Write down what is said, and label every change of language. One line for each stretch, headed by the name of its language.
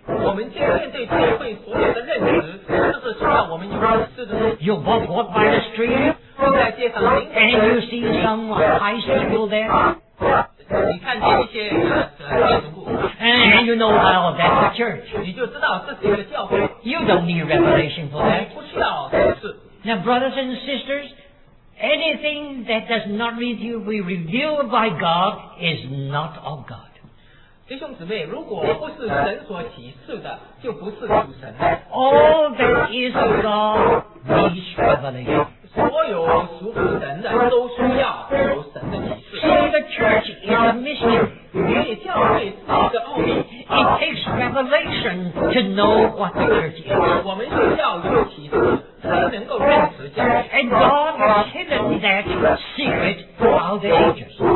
English: You both walk by the street, and you see some high school there, and you know about all that's the church. You don't need revelation for that. Now, brothers and sisters, anything that does not be revealed by God is not of God.
Chinese: 弟兄姊妹，如果不是神所启示的，就不是主神。
English: All that is God needs revelation.
Chinese: 所有属乎神的都需要有神的启示。
English: So the church is a mystery.
Chinese: 教会是一个奥秘。
English: It takes revelation to know what the church is.
Chinese: 我们需要有启示才能够认识教会。
English: And God has hidden that secret throughout the ages.